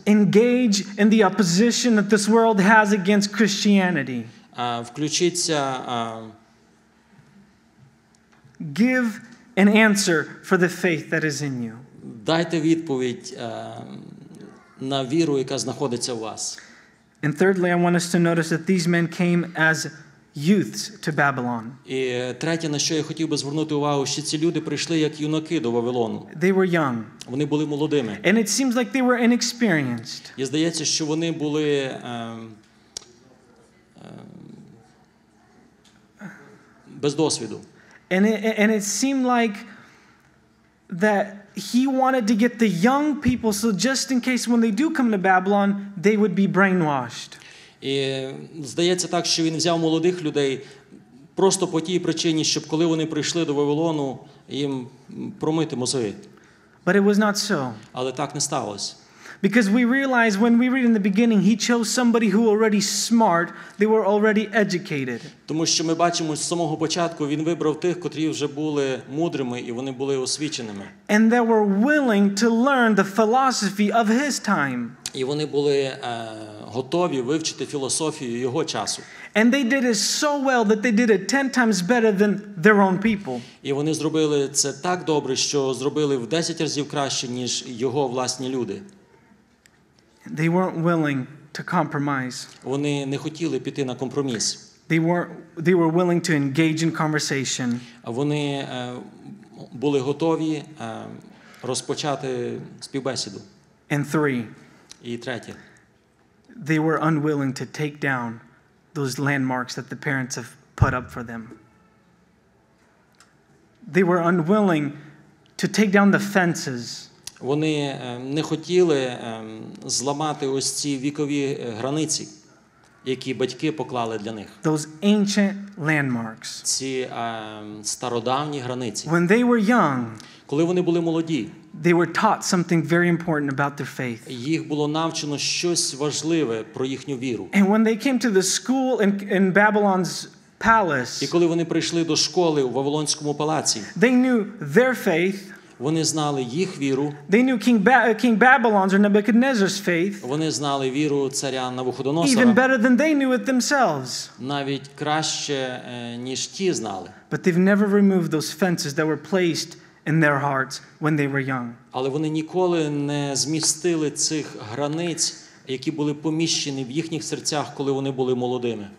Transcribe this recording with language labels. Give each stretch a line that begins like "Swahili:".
English: Engage in the opposition that this world has against Christianity.
Ukrainian: Включіться.
English: Give an answer for the faith that is in you.
Ukrainian: Дайте відповідь на віру, яка знаходиться у вас.
English: And thirdly, I want us to notice that these men came as youths to Babylon.
Ukrainian: І третє, на що я хотів би звернути увагу, що ці люди прийшли як юнаки до Вавилону.
English: They were young.
Ukrainian: Вони були молодими.
English: And it seems like they were inexperienced.
Ukrainian: І здається, що вони були без досвіду.
English: And it seemed like that he wanted to get the young people so just in case when they do come to Babylon, they would be brainwashed.
Ukrainian: І здається так, що він взяв молодих людей просто по тій причині, щоб коли вони прийшли до Вавилону, їм промити мозги.
English: But it was not so.
Ukrainian: Але так не сталося.
English: Because we realize when we read in the beginning, he chose somebody who already smart, they were already educated.
Ukrainian: Тому що ми бачимо з самого початку, він вибрав тих, котрі вже були мудрими і вони були освіченими.
English: And they were willing to learn the philosophy of his time.
Ukrainian: І вони були готові вивчити філософію його часу.
English: And they did it so well that they did it 10 times better than their own people.
Ukrainian: І вони зробили це так добре, що зробили в 10 разів краще, ніж його власні люди.
English: They weren't willing to compromise.
Ukrainian: Вони не хотіли піти на компроміс.
English: They were willing to engage in conversation.
Ukrainian: Вони були готові розпочати співбесіду.
English: And three.
Ukrainian: І третє.
English: They were unwilling to take down those landmarks that the parents have put up for them. They were unwilling to take down the fences.
Ukrainian: Вони не хотіли зламати ось ці вікові границі, які батьки поклали для них.
English: Those ancient landmarks.
Ukrainian: Ці стародавні границі.
English: When they were young,
Ukrainian: коли вони були молоді,
English: they were taught something very important about their faith.
Ukrainian: Їх було навчено щось важливе про їхню віру.
English: And when they came to the school in Babylon's palace,
Ukrainian: і коли вони прийшли до школи у Вавилонському палаці,
English: they knew their faith.
Ukrainian: Вони знали їх віру.
English: They knew King Babylon's or Nebuchadnezzar's faith.
Ukrainian: Вони знали віру царя Навуходоносора.
English: Even better than they knew it themselves.
Ukrainian: Навіть краще, ніж ті знали.
English: But they've never removed those fences that were placed in their hearts when they were young.
Ukrainian: Але вони ніколи не змістили цих границь, які були поміщені в їхніх серцях, коли вони були молодими.